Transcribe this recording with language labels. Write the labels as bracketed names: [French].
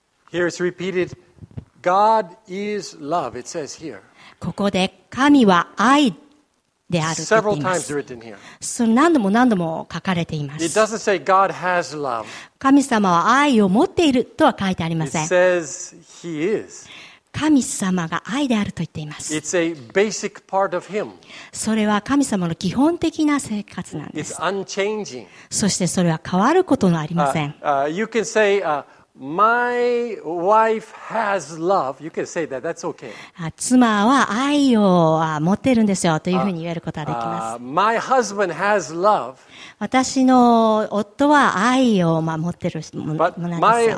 [English] Here it's repeated, God is love, it says here. [Japanese] ここで神は愛であると言っています何度も何度も書かれています。 [English] It doesn't say God has love. [Japanese] 神様は愛を持っているとは書いてありません。 [English] It says he is. [Japanese] 神様が愛であると言っています。 [English] It's a basic part of him. [Japanese] それは神様の基本的な生活なんです。 [English] It's unchanging. [Japanese] そしてそれは変わることのありません。 [English] You can say, My wife has love. You can say that. That's okay. [Japanese] 妻は愛を持っているんですよというふうに言えることができます。 [English] My husband has love. [Japanese] 私の夫は愛を持っているものなんですよ。